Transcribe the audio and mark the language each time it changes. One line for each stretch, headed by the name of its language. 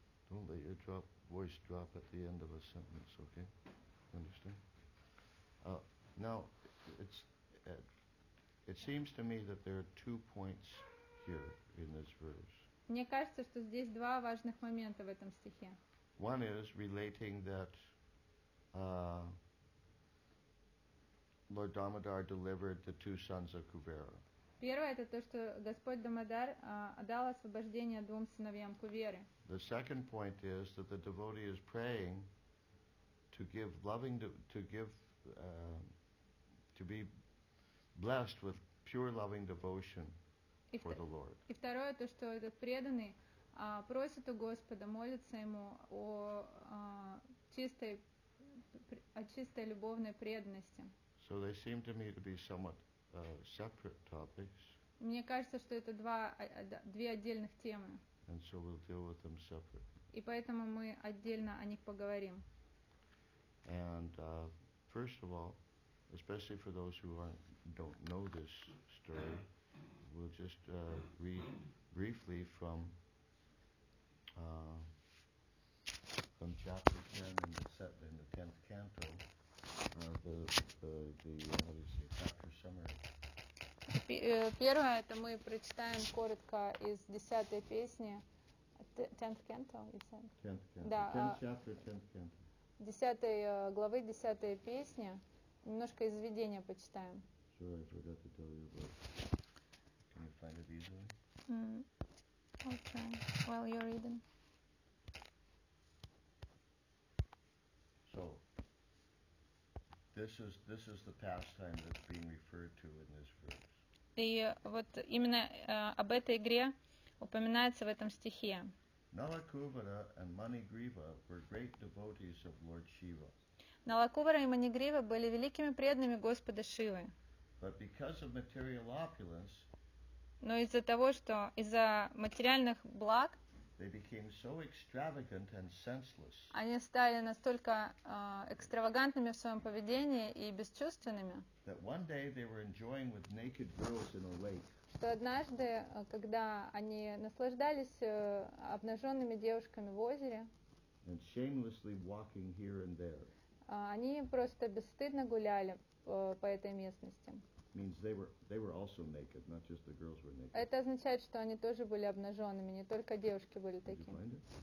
English: Don't let your voice drop at the end of a sentence, okay? Understand? Now, it seems to me that there are two points here in this verse.
Russian: Мне кажется, что здесь два важных момента в этом стихе.
English: One is relating that Lord Damodar delivered the two sons of Kuvera.
Russian: Первое это то, что Господь Дамодар дал освобождение двум сыновьям Куверы.
English: The second point is that the devotee is praying to give loving to be blessed with pure loving devotion for the Lord.
Russian: И второе то, что этот преданный просит у Господа, молится ему о чистой любовной преданности.
English: So they seem to me to be somewhat separate topics.
Russian: Мне кажется, что это две отдельных темы.
English: And so we'll deal with them separate.
Russian: И поэтому мы отдельно о них поговорим.
English: And first of all, especially for those who don't know this story, we'll just read briefly from chapter 10 in the 10th canto, chapter summary.
Russian: Первое, это мы прочитаем коротко из 10-й песни,
English: 10th canto, you said? 10th canto. Да, 10th chapter, 10th canto.
Russian: 10 главы, 10 песня. Немножко из введения почитаем.
English: Sure, I forgot to tell you about it. Can you find it easily? Okay, while you're reading. So, this is the pastime that's being referred to in this verse.
Russian: И вот именно об этой игре упоминается в этом стихе.
English: Nalakuvara and Manigriva were great devotees of Lord Shiva.
Russian: Nalakuvara и Манигрива были великими преданными Господа Шивы.
English: But because of material opulence,
Russian: но из-за того, что из-за материальных благ,
English: they became so extravagant and senseless.
Russian: Они стали настолько экстравагантными в своем поведении и бесчувственными.
English: That one day they were enjoying with naked girls in a lake.
Russian: Что однажды, когда они наслаждались обнаженными девушками в озере,
English: and shamelessly walking here and there,
Russian: они просто бесстыдно гуляли по этой местности.
English: Means they were also naked, not just the girls were naked.
Russian: Это означает, что они тоже были обнаженными, не только девушки были такими.